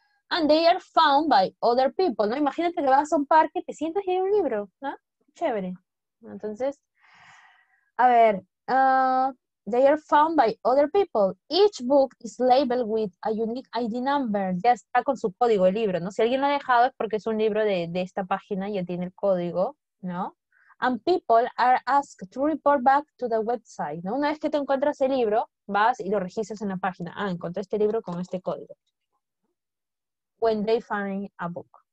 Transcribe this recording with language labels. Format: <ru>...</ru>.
<en>And they are found by other people,</en> <es>¿no? Imagínate que vas a un parque, te sientas y hay un libro, ¿no? Chévere. Entonces, a ver,</es> <en>they are found by other people. Each book is labeled with a unique ID number.</en> <es>Ya está con su código el libro, ¿no? Si alguien lo ha dejado es porque es un libro de esta página y ya tiene el código, ¿no?</es> <en>And people are asked to report back to the website,</en> <es>¿no? Una vez que te encuentras el libro, vas y lo registras en la página. Ah, encontré este libro con este código.</es> <en>When they find a book.</en>